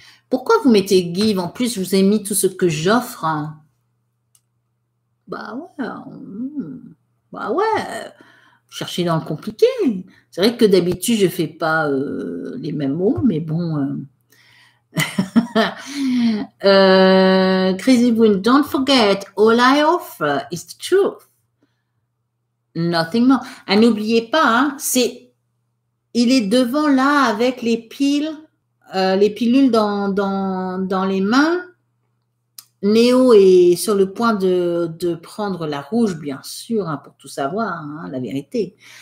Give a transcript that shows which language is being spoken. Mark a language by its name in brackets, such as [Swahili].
[French] Pourquoi vous mettez give? En plus, je vous ai mis tout ce que j'offre. Hein? Bah ouais. Chercher dans le compliqué. C'est vrai que d'habitude, je ne fais pas les mêmes mots, mais bon. [English] Crazy Wind, don't forget, all I offer is the truth. Nothing more. [French] Ah, n'oubliez pas, hein, il est devant là avec les pilules dans les mains. Néo est sur le point de prendre la rouge, bien sûr, hein, pour tout savoir, hein, la vérité.